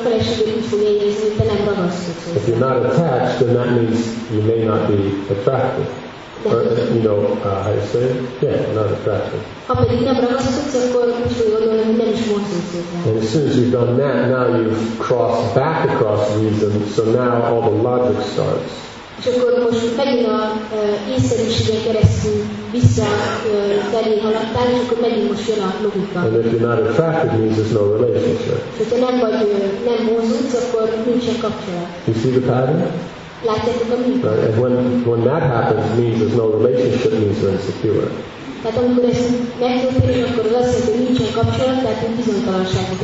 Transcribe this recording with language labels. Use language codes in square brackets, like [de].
[en] If you're not attached, then that means you may not be attractive. Or, you know, how you say it? Yeah, not attractive. And as soon as you've done that, now you've crossed back across reason, so now all the logic starts. [hu] És akkor most megint az észszerűségen keresztül vissza felé haladtál, és akkor megint most jön a logika. [en] And if you're not attracted, means there's no relationship. [hu] Hogyha nem mozdulsz, akkor nincsen kapcsolat. [en] You see the pattern? [hu] Látjátok a minket? [en] Right. And when that happens, means there's no relationship, means you're insecure. [hu] Tehát amikor ezt megtörténik, akkor az azt jelenti, hogy nincsen kapcsolat, tehát egy bizonytalanságot.